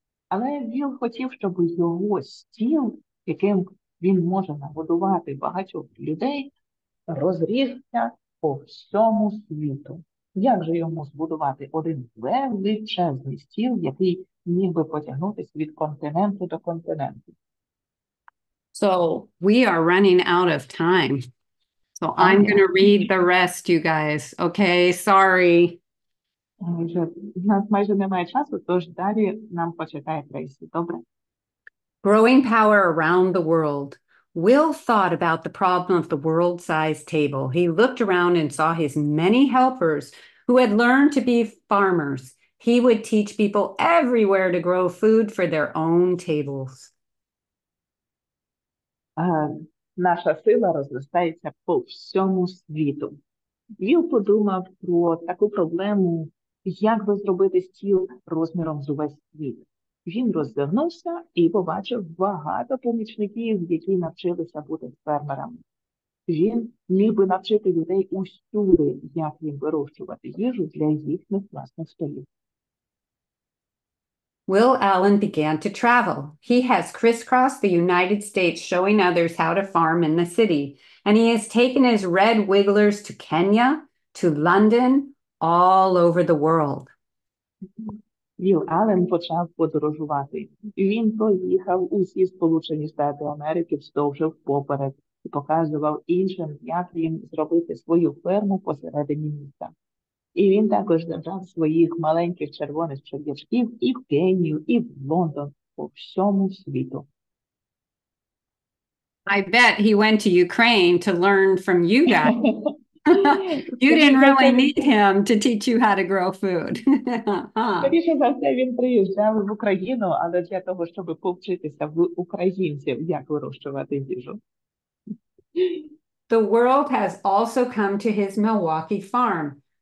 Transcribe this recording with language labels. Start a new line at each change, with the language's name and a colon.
Ukrainian: Але Віл хотів, щоб його стіл, яким він може нагодувати багатьох людей, розрігся по всьому світу. Як же йому збудувати один величезний стіл, який міг би потягнутися від континенту до континенту?
English: So we are running out of time. So I'm going to read the rest, you guys. Okay, sorry.
Ukrainian: У нас майже немає часу, тож далі нам почекає Трейсі. Добре?
English: Growing power around the world. Will thought about the problem of the world-sized table. He looked around and saw his many helpers who had learned to be farmers. He would teach people everywhere to grow food for their own tables.
Ukrainian: Наша сила розростається по всьому світу. Він подумав про таку проблему, як би зробити стіл розміром з увесь світ. Він роззирнувся і побачив багато помічників, які навчилися бути фермерами. Він міг би навчити людей усюди, як їм вирощувати їжу для їхніх власних столів.
English: Will Allen began to travel. He has crisscrossed the United States showing others how to farm in the city. And he has taken his red wigglers to Kenya, to London, all over the world.
Ukrainian: Will Allen почав подорожувати. Він проїхав усі Сполучені Штати Америки вздовж і поперек і показував іншим, як їм зробити свою ферму посередині міста. І він також держав своїх маленьких червоних черв'ячків і в Кенію, і в Лондон, по всьому світу.
English: I bet he went to Ukraine to learn from you guys. You didn't really need him to teach you how to grow food.
Ukrainian: Скоріше за все, він приїжджав в Україну, але для того, щоб повчитися в українців, як вирощувати їжу.
English: The world has also come to his Milwaukee farm.